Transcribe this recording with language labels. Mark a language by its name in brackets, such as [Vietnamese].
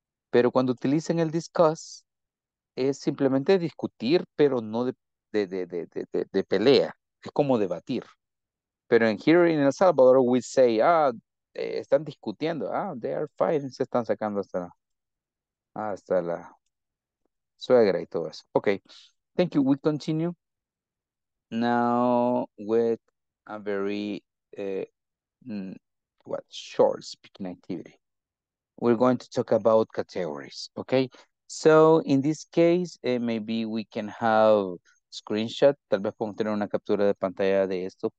[Spanish] Pero cuando utilicen el discuss, es simplemente discutir, pero no de pelea. Es como debatir. [English] Pero en here in El Salvador, we say, [Spanish] están discutiendo. [English] Ah, they are fighting. [Spanish] Se están sacando hasta la suegra y todo eso. Okay. [English] Thank you. We continue now with a very short speaking activity. We're going to talk about categories. Okay. So in this case, maybe we can have screenshot. [Spanish] Tal vez podemos tener una captura de pantalla de esto.